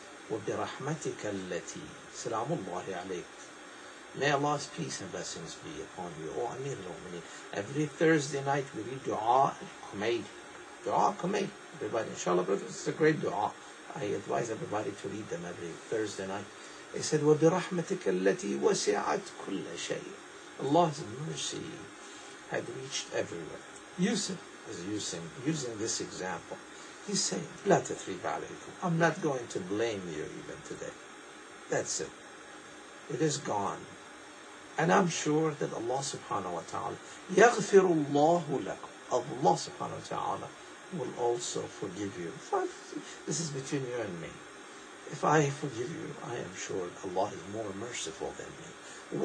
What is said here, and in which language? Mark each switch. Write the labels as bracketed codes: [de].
[ar] وَبِرَحْمَتِكَ الَّتِي سَلَامُ اللَّهِ عَلَيْكَ. [en] May Allah's peace and blessings be upon you. Oh, Amir al-Mu'mineen. Every Thursday night we read Dua al-Kumayd. Dua al-Kumayd, everybody. Inshallah, brothers, it's a great dua. I advise everybody to read them every Thursday night. He said, [ar] وَبِرَحْمَتِكَ الَّتِي وَسِعَتْ كُلَّ شَيْءٍ. [en] Allah's mercy had reached everywhere. Yusuf is using this example. He's saying, [ar] لا تثريب عليكم. [en] I'm not going to blame you even today. That's it. It is gone. And I'm sure that Allah subhanahu wa ta'ala, [ar] يَغْفِرُ اللَّهُ لَكُمْ. [en] Allah subhanahu wa ta'ala will also forgive you. This is between you and me. If I forgive you, I am sure Allah is more merciful than me.